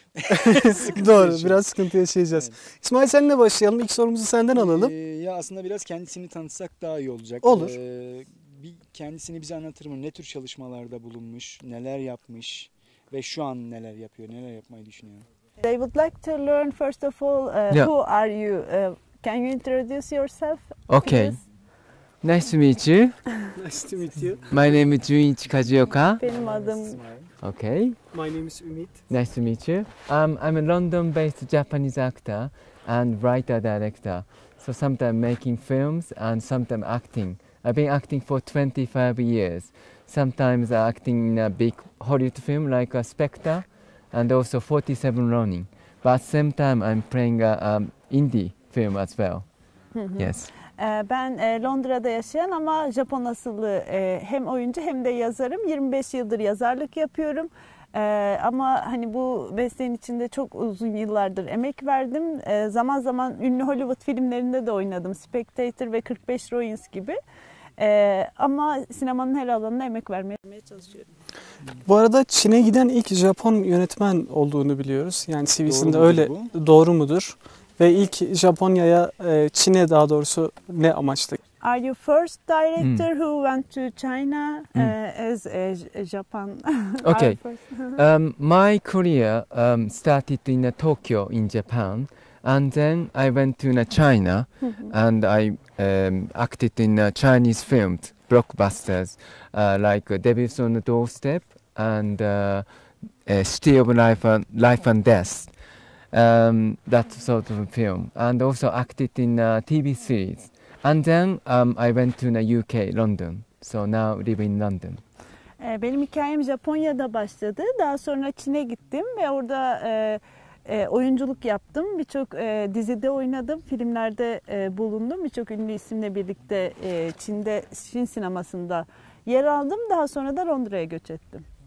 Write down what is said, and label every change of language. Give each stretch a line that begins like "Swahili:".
Turkish: sıkıntı doğru, yaşıyoruz. Biraz sıkıntı yaşayacağız. Evet. İsmail seninle başlayalım. İlk sorumuzu senden alalım. Ya aslında biraz kendisini tanıtsak daha iyi olacak. Olur. Bir kendisini bize anlatır mı? Ne tür çalışmalarda bulunmuş, neler yapmış ve şu an neler yapıyor, neler yapmayı düşünüyor?
English: They would like to learn first of all who are you? Can you introduce yourself? Okay. Nice to meet you. Nice to meet you. My name is Junichi Kajioka.
Turkish: Benim adım.
English: Okay. My name is Ümit. Nice to meet you. I'm a London-based Japanese actor and writer-director. So sometimes making films and sometimes acting. I've been acting for 25 years. Sometimes acting in a big Hollywood film like Spectre and also 47 Ronin. But at the same time, I'm playing an indie film as well. Yes.
Turkish: Ben Londra'da yaşayan ama Japon asıllı hem oyuncu hem de yazarım. 25 yıldır yazarlık yapıyorum. Ama hani bu mesleğin içinde çok uzun yıllardır emek verdim. Zaman zaman ünlü Hollywood filmlerinde de oynadım. Spectator ve 45 Ronin gibi. Ama sinemanın her alanına emek vermeye çalışıyorum. Bu arada Çin'e giden ilk Japon yönetmen olduğunu biliyoruz. Yani CV'sinde öyle. Bu? Doğru mudur? Ve ilk Japonya'ya, Çin'e daha doğrusu ne amaçlı?
English: Are you first director who went to China as a Japan? Okay. my career started in Tokyo in Japan. And then I went to China and I acted in Chinese films, blockbusters, like Devils on the Doorstep and City of Life and Death. That sort of a film, and also acted in a TV series. And then I went to the UK, London. So now live in London.
Turkish: Benim hikayem Japonya'da başladı. Daha sonra Çin'e gittim ve orada oyunculuk yaptım. Birçok dizide oynadım, filmlerde bulundum. Birçok ünlü isimle birlikte Çin'de, Çin sinemasında yer aldım. Daha sonra da Londra'ya göç ettim.